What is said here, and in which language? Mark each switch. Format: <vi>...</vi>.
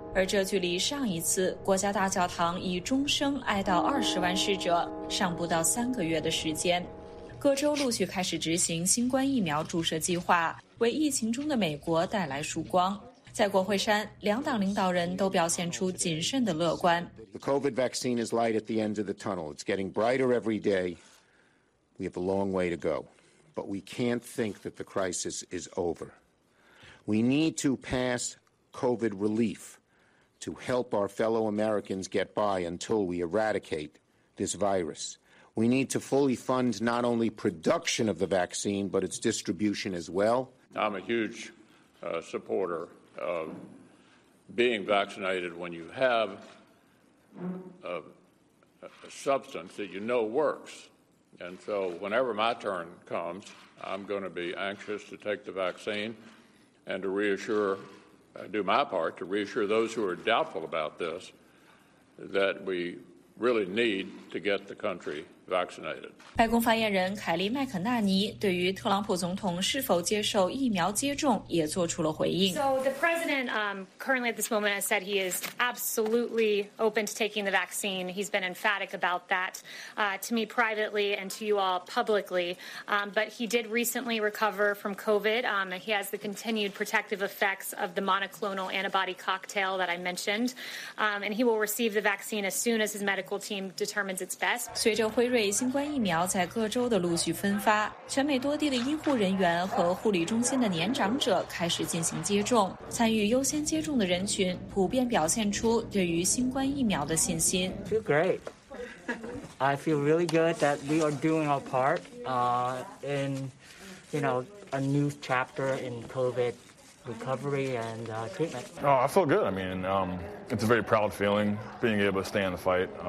<zh>而这距离上一次国家大教堂以钟声哀悼20万逝者尚不到3个月的时间。各州陆续开始执行新冠疫苗注射计划，为疫情中的美国带来曙光。在国会山，两党领导人都表现出谨慎的乐观。</zh> <en>The COVID vaccine is light at the end of the tunnel. It's getting brighter every dayWe have a long way to go, but we can't think that the crisis is over. We need to pass COVID relief to help our fellow Americans get by until we eradicate this virus. We need to fully fund not only production of the vaccine, but its distribution as well. I'm a huge supporter of being vaccinated when you have a substance that you know works. And so whenever my turn comes, I'm going to be anxious to take the vaccine and to reassure, do my part to reassure those who are doubtful about this, that we really need to get the country vaccinated.</en> <zh>白宫发言人凯利·麦肯纳尼对于特朗普总统是否接受疫苗接种也做出了回应。</zh> <en>So the president, currently at this moment has said he is absolutely open to taking the vaccine. He's been emphatic about that, to me privately and to you all publicly. But he did recently recover from COVID. He has the continued protective effects of the monoclonal antibody cocktail that I mentioned. And he will receive the vaccine as soon as his medical team determines it's best.</en> <zh>随着辉瑞新冠疫苗在各州的陆续分发，全美多地的医护人员和护理中心的年长者开始进行接种。参与优先接种的人群普遍表现出对于新冠疫苗的信心。</zh> <en>I feel great. I feel really good that we are doing our part, in, you know, a new chapter in COVID recovery and treatment. Oh, I feel good. I mean, it's a very proud feeling being able to stay in the fight.</en>